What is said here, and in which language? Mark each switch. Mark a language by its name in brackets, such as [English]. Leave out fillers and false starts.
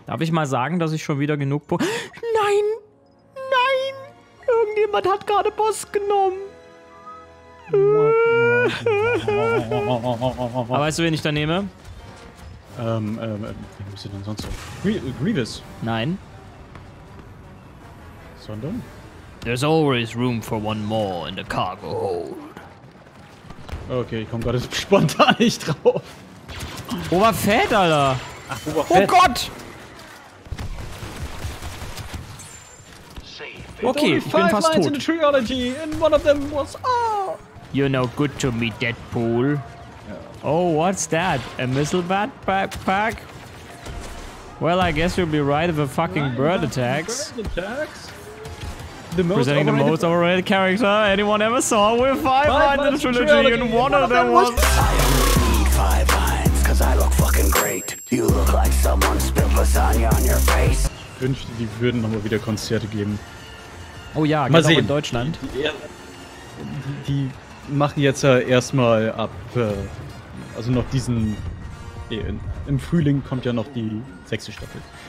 [German] Darf ich mal sagen, dass ich schon wieder genug Nein. Irgendjemand hat gerade Boss genommen. Aber weißt du, wen ich da nehme? Wie nimmst du denn sonst so? Grievous? Nein. Sondern? [English] There's always room for one more in the cargo hold. [German] Okay, ich komm gerade spontan nicht drauf. Boba Fett, Alter! Ach, Boba Fett. Oh Gott! Okay, ich bin fast tot. [English] In the trilogy, and one of them was, You're no good to me, Deadpool. Oh, what's that? A missile bat backpack? Well, I guess you'll be right if a fucking bird attacks. Presenting the most overrated character anyone ever saw with 5 lines in the trilogy, and one of them was. I only need 5 lines, cause I look fucking great. You look like someone spilled lasagna on your face. [German] Ich wünschte, die würden nochmal wieder Konzerte geben. Oh ja, mal sehen. In Deutschland. Die machen jetzt erstmal ab. Also noch diesen. Im Frühling kommt ja noch die 6. Staffel.